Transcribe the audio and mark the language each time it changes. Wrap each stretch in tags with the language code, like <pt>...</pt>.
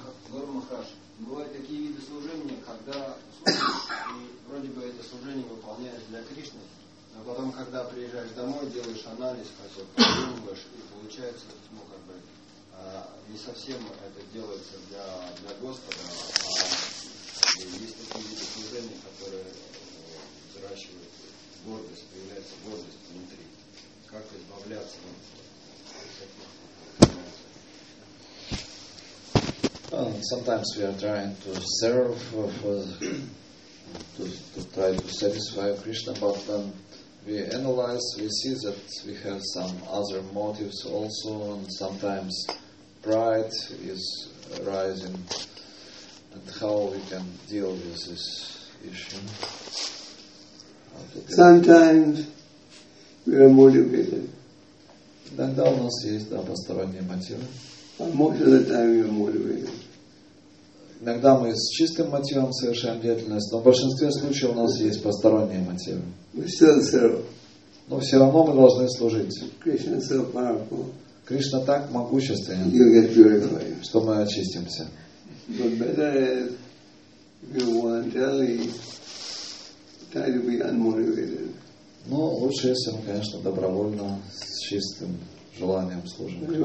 <ru>Гуру Махарадж, бывают такие виды служения, когда служишь, и вроде бы это служение выполняешь для Кришны, а потом, когда приезжаешь домой, делаешь анализ, подумываешь, и получается, ну, как бы, не совсем это делается для Господа, а есть такие виды служения, которые взращивают гордость, появляется гордость внутри. Как избавляться от таких?</ru> <en>Sometimes we are trying to serve to try to satisfy Krishna, but then we analyze, we see that we have some other motives also, and sometimes pride is rising, and how we can deal with this issue. Sometimes we are motivated.</en> <ru>Иногда у нас есть, да, посторонние мотивы.</ru> <en>Most of the time we are motivated.</en> <ru>Иногда мы с чистым мотивом совершаем деятельность, но в большинстве случаев у нас есть посторонние мотивы. Но все равно мы должны служить. Кришна так могущественен, что мы очистимся.</ru> <en>But better is we voluntarily try to be unmotivated.</en> <ru>Но лучше, если мы, конечно, добровольно с чистым желанием служим.</ru>